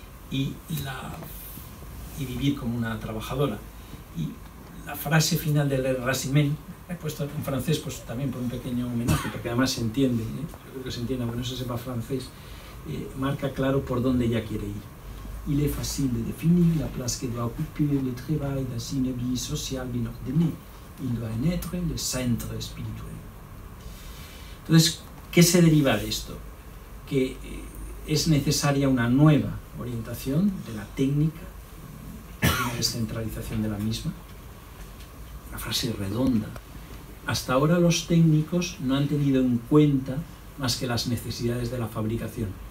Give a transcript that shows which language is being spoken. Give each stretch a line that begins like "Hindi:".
Spanish: Y vivir como una trabajadora. Y la frase final de Le Racimen, he puesto en francés, pues también por un pequeño homenaje, porque además se entiende, yo creo que se entiende, aunque no se sepa francés, marca claro por dónde ella quiere ir.
French: Il est facile de définir la place que doit occuper le travail dans une vie sociale bien ordonnée. Il doit en être le centre spirituel.
Spanish: Entonces, ¿qué se deriva de esto? Que es necesaria una nueva orientación de la técnica, una descentralización de la misma. Una frase redonda. Hasta ahora los técnicos no han tenido en cuenta más que las necesidades de la fabricación.